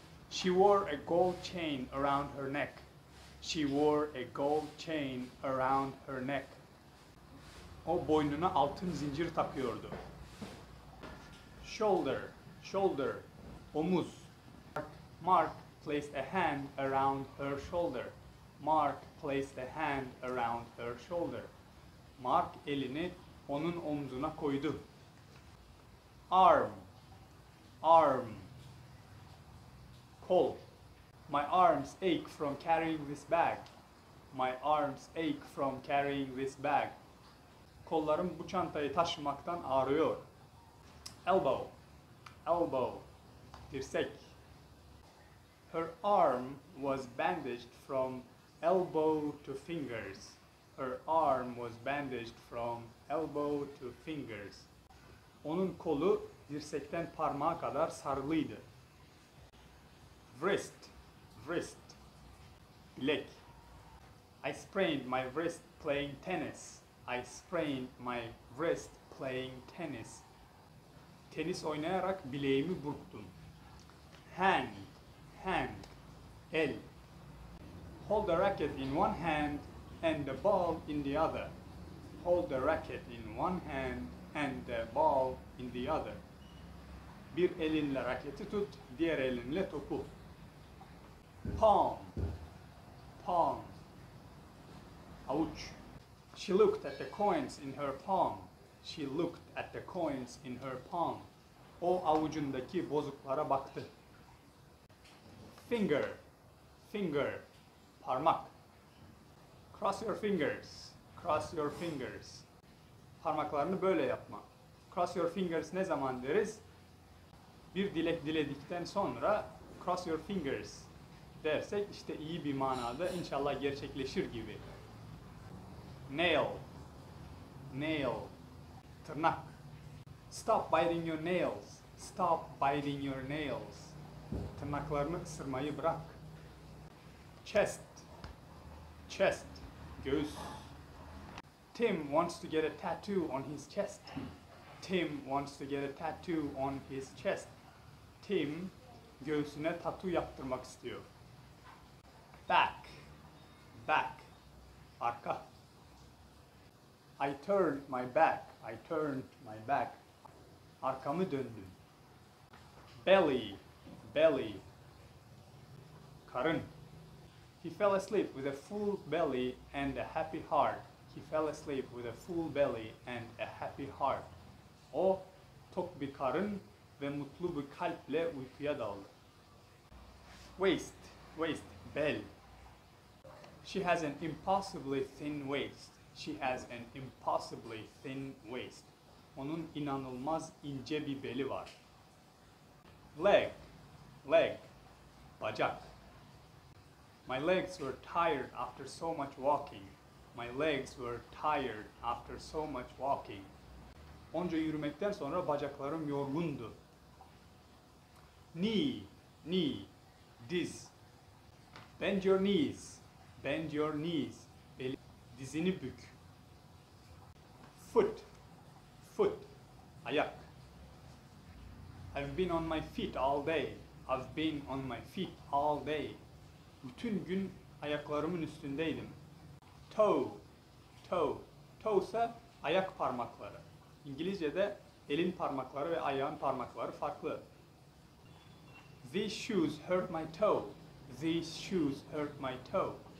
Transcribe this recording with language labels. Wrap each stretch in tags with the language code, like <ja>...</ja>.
<en>She wore a gold chain around her neck. She wore a gold chain around her neck.</en> <tr>O boynuna altın zincir takıyordu. Shoulder, shoulder, omuz.</tr> <en>Mark placed a hand around her shoulder. Mark placed a hand around her shoulder.</en> <tr>Mark elini onun omzuna koydu.</tr> <en>Arm, arm, kol. My arms ache from carrying this bag. My arms ache from carrying this bag.</en> <tr>Kollarım bu çantayı taşımaktan ağrıyor.</tr> <en>Elbow, elbow, dirsek. Her arm was bandaged from elbow to fingers. Her arm was bandaged from elbow to fingers.</en> <tr>Onun kolu dirsekten parmağa kadar sarılıydı.</tr> <en>Wrist, wrist, bilek. I sprained my wrist playing tennis. I sprained my wrist playing tennis.</en> <tr>Tenis oynayarak bileğimi burktum.</tr> <en>Hand, hand, el. Hold the racket in one hand and the ball in the other. Hold the racket in one hand and the ball in the other.</en> <tr>Bir elinle raketi tut, diğer elinle topu.</tr> <en>Palm, palm,</en> <tr>avuç.</tr> <en>She looked at the coins in her palm. She looked at the coins in her palm.</en> <tr>O avucundaki bozuklara baktı.</tr> <en>Finger, finger, parmak. Cross your fingers, cross your fingers.</en> <tr>Parmaklarını böyle yapma.</tr> <en>Cross your fingers</en> <tr>ne zaman deriz? Bir dilek diledikten sonra</tr> <en>cross your fingers</en> <tr>dersek işte iyi bir manada inşallah gerçekleşir gibi.</tr> <en>Nail, nail,</en> <tr>tırnak.</tr> <en>Stop biting your nails. Stop biting your nails.</en> <tr>Tırnaklarını ısırmayı bırak.</tr> <en>Chest. Chest.</en> <tr>Göğüs.</tr> <en>Tim wants to get a tattoo on his chest. Tim wants to get a tattoo on his chest.</en> <tr>Tim göğsüne tatu yaptırmak istiyor.</tr> <en>Back. Back.</en> <tr>Arka.</tr> <en>I turned my back. I turned my back.</en> <tr>Arkamı döndüm.</tr> <en>Belly, belly,</en> <tr>karın.</tr> <en>He fell asleep with a full belly and a happy heart. He fell asleep with a full belly and a happy heart.</en> <tr>O tok bir karın ve mutlu bir kalple uykuya daldı.</tr> <en>Waist, waist, bel. She has an impossibly thin waist. She has an impossibly thin waist.</en> <tr>Onun inanılmaz ince bir beli var.</tr> <en>Leg, leg,</en> <tr>bacak.</tr> <en>My legs were tired after so much walking. My legs were tired after so much walking.</en> <tr>Onca yürümekten sonra bacaklarım yorgundu.</tr> <en>Knee, knee,</en> <tr>diz.</tr> <en>Bend your knees, bend your knees.</en> <tr>Beli, dizini bük.</tr> <en>Foot, foot,</en> <tr>ayak.</tr> <en>I've been on my feet all day. I've been on my feet all day.</en> <tr>Bütün gün ayaklarımın üstündeydim.</tr> <en>Toe, toe.</en> <tr>Toe ise ayak parmakları. İngilizce'de elin parmakları ve ayağın parmakları farklı.</tr> <en>These shoes hurt my toe. These shoes hurt my toe.</en>